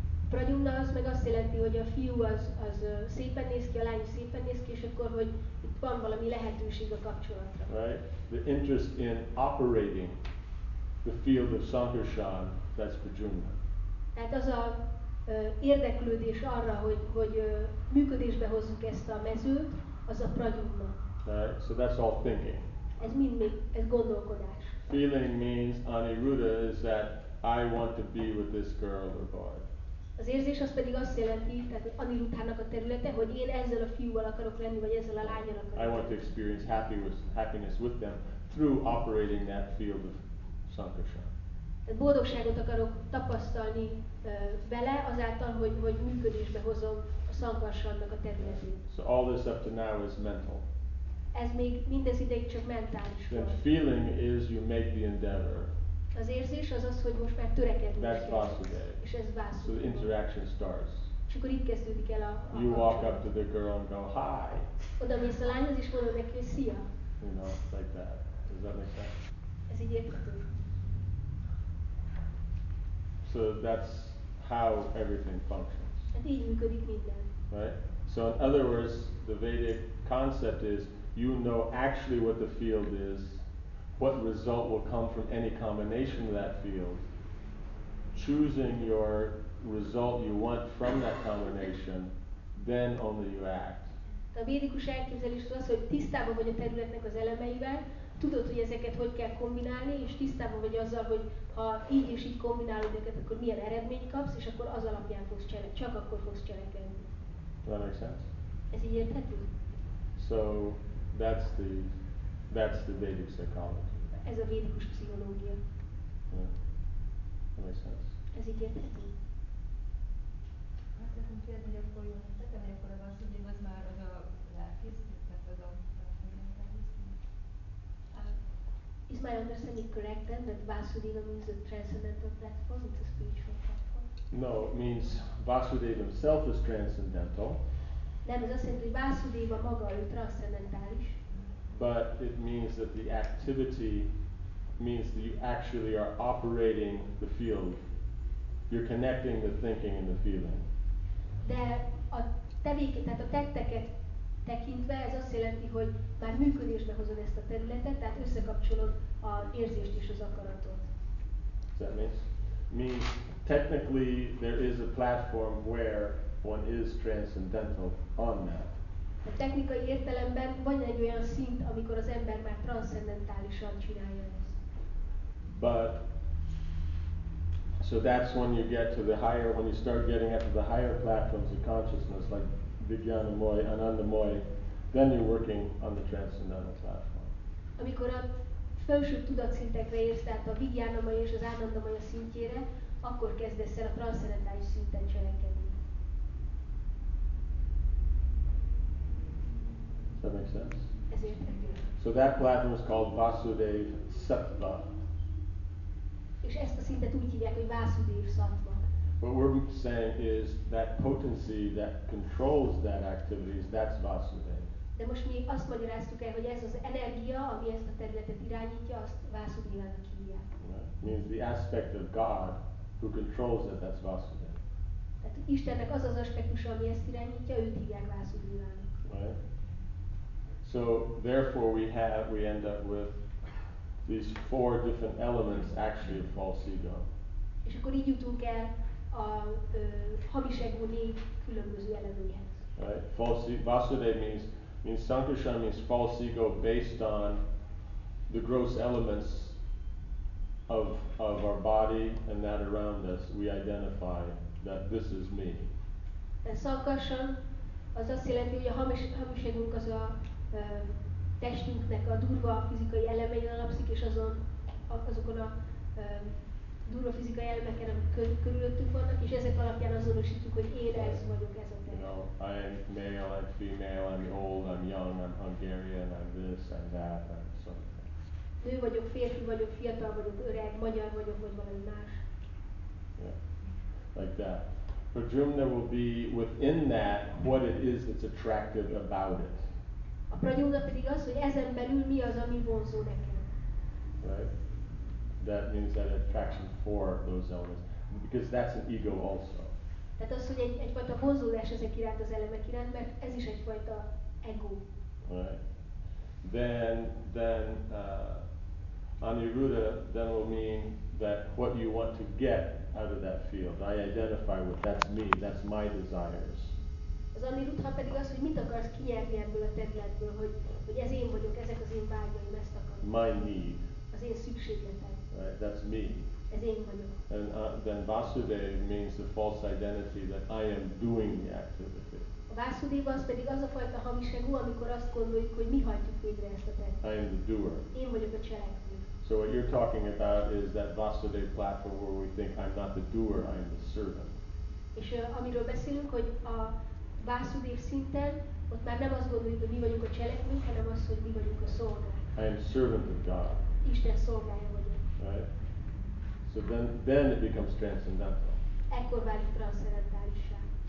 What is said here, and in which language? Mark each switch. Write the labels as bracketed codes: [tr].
[hu] Prajumna az meg azt jelenti, hogy a fiú az szépen néz ki, a lány szépen néz ki, és akkor, hogy itt van valami lehetőség a kapcsolatra. [en] Right? The interest in operating the field of Sankarshan, that's Prajumna. [hu] Tehát az az érdeklődés arra, hogy működésbe hozzuk ezt a mezőt, az a prajumna. [en] Right, so that's all thinking. [hu] Ez mind még, ez gondolkodás. [en] Feeling means aniruddha is that I want to be with this girl or boy. [hu] Az érzés az pedig azt jelenti, tehát aniruddhának a területe, hogy én ezzel a fiúval akarok lenni, vagy ezzel a lányjal akarok lenni. [en] I want to experience happiness with them through operating that field of Sankarshan. [hu] Tehát boldogságot akarok tapasztalni vele azáltal, hogy működésbe hozom a Sankarshannak a területét. [en] So all this up to now is mental. [hu] Ez még mindez ideig csak mentális. [en] The feeling is you make the endeavor. [hu] Az érzés az, hogy most már törekedni [en] kell. That's Vasudeva. [hu] És ez Vasudeva. [en] So the interaction starts. [hu] És akkor itt kezdődik el a [en] kapcsolat. You walk up to the girl and go, hi. [hu] Oda mész a lányhoz és mondod neki, hogy szia. [en] You know, like that. Does that make sense? [hu] Ez így érthető. [en] So that's how everything functions. [hu] Hát így működik minden. [en] Right? So in other words, the Vedic concept is, you know actually what the field is, what result will come from any combination of that field. Choosing your result you want from that combination, then only you act. [hu] Tehát A védikus elképzelés az, hogy tisztában vagy a területnek az elemeivel, tudod, hogy ezeket hogy kell kombinálni, és tisztában vagy azzal, hogy ha így és így kombinálod őket, akkor milyen eredményt kapsz, és akkor az alapján fogsz cselekedni, csak akkor fogsz cselekedni. [en] That makes sense? [hu] Ez így érthető? [en] So, that's the Vedic psychology. [hu] Ez a védikus pszichológia. [en] Yeah. That makes sense. [hu] Ez így érthető? Azt szeretném kérdezni, hogy akkor jól tettem, hogy akkor a vasszúdjén az már az a lelkészítés, tehát az a lelkészítés. [en] Is my understanding correct then that Vasudeva means the transcendental platform, it's a spiritual platform? No, it means Vasudeva himself is transcendental. [hu] Nem, ez azt jelenti, hogy Vasudeva maga, ő transzcendentális. [en] But it means that the activity means that you actually are operating the field. You're connecting the thinking and the feeling. [hu] De a tevékenységet, tehát a tetteket tekintve ez azt jelenti, hogy már működésbe hozod ezt a területet, tehát összekapcsolod az érzést és az akaratot. [en] Does that mean technically there is a platform where one is transcendental on that? [hu] A technikai értelemben van egy olyan szint, amikor az ember már transzcendentálisan csinálja ezt. [en] But so that's when you get to the higher, when you start getting up to the higher platforms of consciousness, like Vijnanamoy, Anandamoy, then you're working on the transcendental platform. [hu] Amikor a felsőbb tudatszintekre érsz, tehát a Vijnanamoy és az Anandamoy szintjére, akkor kezdesz el a transzcendentális szinten cselekedni. [en] Does that make sense? [hu] Ez érthető. [en] So that platform is called Vasudev Sattva. [hu] És ezt a szintet úgy hívják, hogy Vasudev Sattva. [en] What we're saying is that potency that controls that activity is that's Vasudev. [hu] De most mi azt magyaráztuk el, hogy ez az energia, ami ezt a területet irányítja, azt Vasudevának hívják. [en] Yeah. Means the aspect of God who controls it, that's Vasudev. [hu] Tehát Istennek az az aspektus, ami ezt irányítja, őt hívják Vasudevának. [en] Right. So therefore we end up with these four different elements actually of false ego. [hu] És akkor így jutunk el a hamis ego négy különböző elemeihez. [en] Right. False ego. Vasudev means Sankarsana means false ego based on the gross elements of our body and that around us. We identify that this is me. [hu] Sankarsana az azt jelenti, hogy a hamis egónk az a testünknek a durva fizikai elemein alapszik, és azokon a durva fizikai elemeken, amik körülöttünk vannak, és ezek alapján azonosítjuk, hogy én ez vagyok, ez a te. [en] You know, I am male, I'm female, I'm old, I'm young, I'm Hungarian, I'm this, I'm that, I'm something. [hu] Nő vagyok, férfi vagyok, fiatal vagyok, öreg, magyar vagyok, vagy valami más. [en] Yeah. Like that. Prajumna will be within that what it is that's attractive about it. [hu] A prajumna pedig az, hogy ezen belül mi az, ami vonzó nekem. [en] Right. That means that attraction for those elements. Because that's an ego also. [hu] Tehát az, hogy egyfajta vonzódás ezek iránt az elemek iránt, mert ez is egyfajta ego. [en] Right. Aniruddha then will mean that what you want to get out of that field. I identify with that's me, that's my desires. [hu] Az aniruddha pedig az, hogy mit akarsz kinyerni ebből a területből, hogy ez én vagyok, ezek az én vágyaim, ezt akarom. [en] My need. [hu] Az én szükségletem. [en] Right, that's me. [hu] Ez én vagyok. [en] And then Vasudev means the false identity that I am doing the activity. [hu] A Vasudeva az pedig az a fajta hamis ego, amikor azt gondoljuk, hogy mi hajtjuk végre ezt a területet. [en] I am the doer. [hu] Én vagyok a cselekvő. [en] So what you're talking about is that Vasudev platform where we think I'm not the doer, I am the servant. [hu] És amiről beszélünk, hogy a Vasudev szinten, ott már nem azt gondoljuk, hogy mi vagyunk a cselekmény, hanem az, hogy mi vagyunk a szolgák. [en] I am servant of God. [hu] Isten szolgája vagyok. [en] Right? So then it becomes transcendental. [hu] Ekkor válik transzcendentálissá.